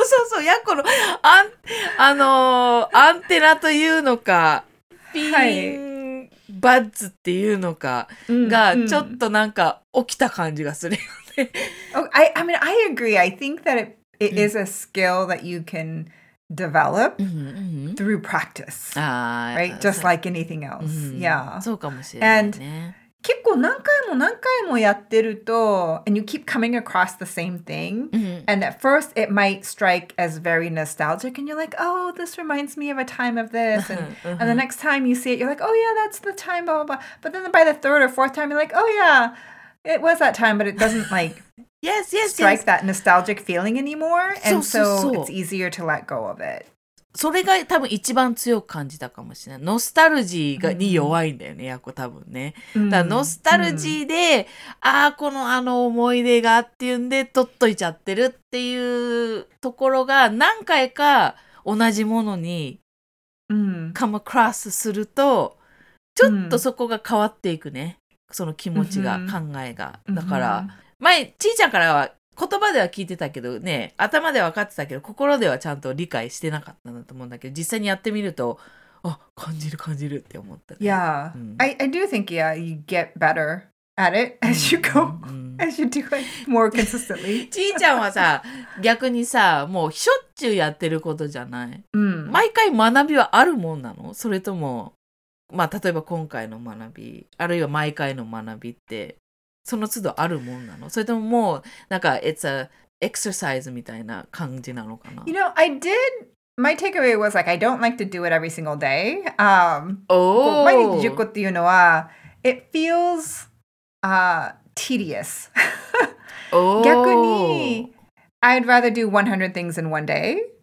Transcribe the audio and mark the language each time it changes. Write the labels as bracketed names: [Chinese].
[Japanese] そう、やこのアンテナというのか、ピーン、はい、バッズっていうのかが、うん、ちょっとなんか起きた感じがするよ。 [English] I agree. I think that it is a skill that you can develop through practice. Right? Just like anything else. Yeah. [Japanese] そうかもしれないね。 [English] And [Japanese] 結構何回も何回もやってると [English] and you keep coming across the same thing. And at first it might strike as very nostalgic and you're like, oh, this reminds me of a time of this. And the next time you see it, you're like, oh yeah, that's the time, blah, blah, blah. But then by the third or fourth time, you're like, oh yeah,It was that time, but it doesn't like strike that nostalgic feeling anymore. And so it's easier to let go of it. [Japanese] それが多分一番強く感じたかもしれない。ノスタルジーに弱いんだよね、ヤコ多分ね。だからノスタルジーで、ああ、この思い出がっていうんで、とっといちゃってるっていうところが何回か同じものに [English] come across [Japanese] すると、ちょっとそこが変わっていくね。その気持ちが、mm-hmm. 考えが。だから、mm-hmm. 前、ちーちゃんからは言葉では聞いてたけどね、頭では分かってたけど、心ではちゃんと理解してなかったんだと思うんだけど、実際にやってみると、あ、感じるって思った、ね。 [English] Yeah.、うん、I do think, yeah, you get better at it as you go,、mm-hmm. as you do it more consistently. [Japanese] ちーちゃんはさ、逆にさ、もうしょっちゅうやってることじゃない。 Mm. 毎回学びはあるもんなの？それとも、まあ、例えば今回の学び、あるいは毎回の学びって、その都度あるもんなの？それとももう、なんか、 [English] it's a exercise [Japanese] みたいな感じなのかな？ [English] You know, I did, my takeaway was like, I don't like to do it every single day. Oh! [Japanese] 毎日10個っていうのは、 [English] it feels, tedious. oh! 逆に、I'd rather do 100 things in one day.